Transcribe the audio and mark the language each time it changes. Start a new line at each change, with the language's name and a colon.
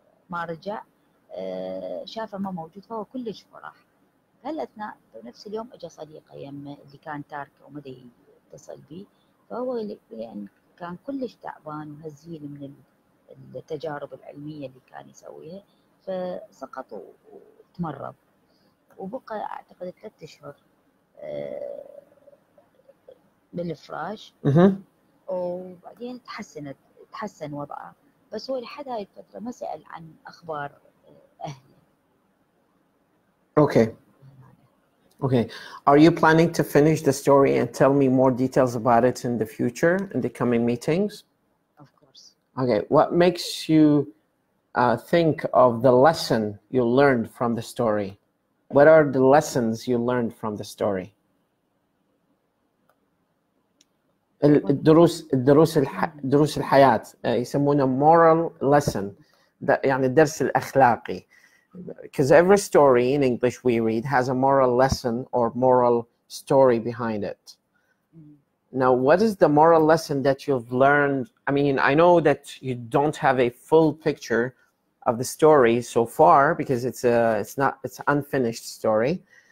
Arabic: ما رجع شافه ما موجود فهو كلش فرح هالأثناء في نفس اليوم اجى صديقه يمه اللي كان تاركه وما دي يتصل بي فهو يعني كان كلش تعبان وهزيل من التجارب العلمية اللي كان يسويها فسقط وتمرض وبقى اعتقد 3 اشهر بالفراش وبعدين تحسن وضعه بس هو لحد هاي الفترة ما سأل عن اخبار اهله.
English: Okay Okay. Are you planning to finish the story and tell me more details about it in the future, in the coming meetings? Of course. Okay. What makes you think of the lesson you learned from the story? What are the lessons you learned from the story?
Arabic: دروس الحياة يسمونه moral lesson. يعني الدرس الأخلاقي.
English: Because every story in English we read has a moral lesson or moral story behind it. Mm-hmm. Now, what is the moral lesson that you've learned? I mean, I know that you don't have a full picture of the story so far because it's an unfinished story.